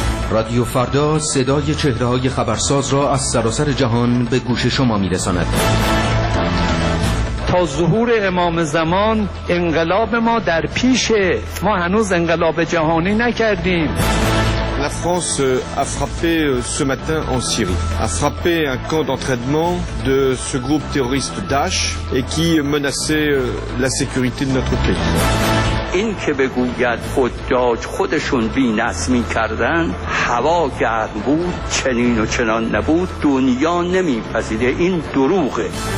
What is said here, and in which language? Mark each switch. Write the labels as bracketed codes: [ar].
[fa] رادیو فردا صدای چهره های خبرساز را از سراسر جهان به گوش شما می رساند. تا ظهور امام زمان انقلاب ما در پیشه، ما هنوز انقلاب جهانی نکردیم. [fr] La France a frappé ce matin en Syrie, a frappé un camp d'entraînement de ce groupe terroriste Daesh et qui menaçait la sécurité de notre pays. [fa] این که بگوید حجاج خودشون بی نظمی کردن، هوا گرم بود، چنین و چنان نبود، دنیا نمی پذیره، این دروغه.